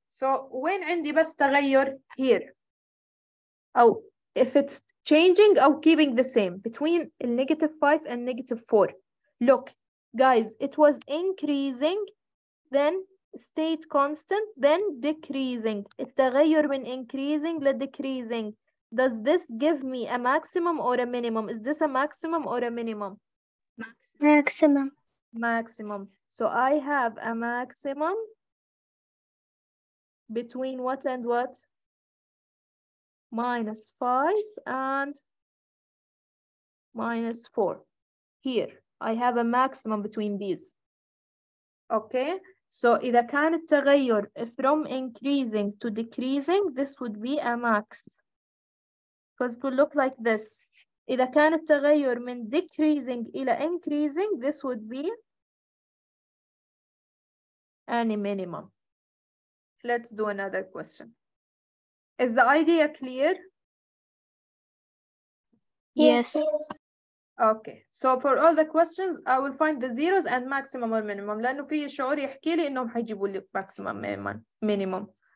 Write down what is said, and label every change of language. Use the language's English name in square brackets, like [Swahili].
[English] So when [Arabic] عندي بس تغير [English] here. Oh. If it's changing or keeping the same between negative 5 and negative 4. Look, guys, it was increasing, then stayed constant, then decreasing. [Arabic] التغير من increasing لدecreasing. [English] Does this give me a maximum or a minimum? Is this a maximum or a minimum? Maximum. Maximum. So I have a maximum between what and what? Minus 5 and minus 4. Here, I have a maximum between these. Okay, so [Arabic] إذا كان التغير [English] from increasing to decreasing, this would be a max. Because it will look like this. [Arabic] إذا كان التغير من [English] decreasing إلى increasing, this would be any minimum. Let's do another question. Is the idea clear? Yes. Okay. So for all the questions, I will find the zeros and maximum or minimum. [Arabic] لأنه في شعور يحكي لي إنهم حيجيبوا لي maximum minimum.